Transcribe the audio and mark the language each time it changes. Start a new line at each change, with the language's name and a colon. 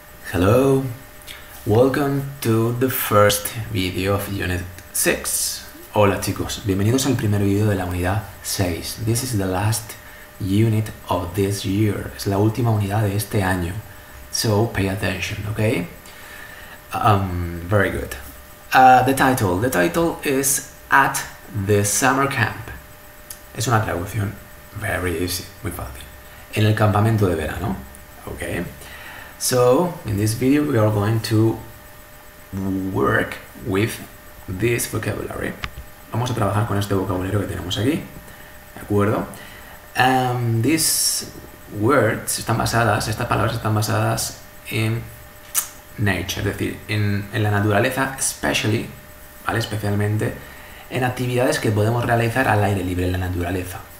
English: Hello, welcome to the first video of Unit 6.
Spanish: Hola chicos, bienvenidos al primer video de la unidad 6.
English: This is the last unit of this year.
Spanish: Es la última unidad de este año.
English: So pay attention, okay? Very good. The title is At the Summer Camp.
Spanish: Es una traducción
English: very easy,
Spanish: muy fácil. En el campamento de verano, okay?
English: So, in this video, we are going to work with this vocabulary.
Spanish: Vamos a trabajar con este vocabulario que tenemos aquí, ¿de acuerdo?
English: These words
Spanish: están basadas, estas palabras están basadas en nature, es decir, en la naturaleza, especially, ¿vale? Especialmente en actividades que podemos realizar al aire libre en la naturaleza.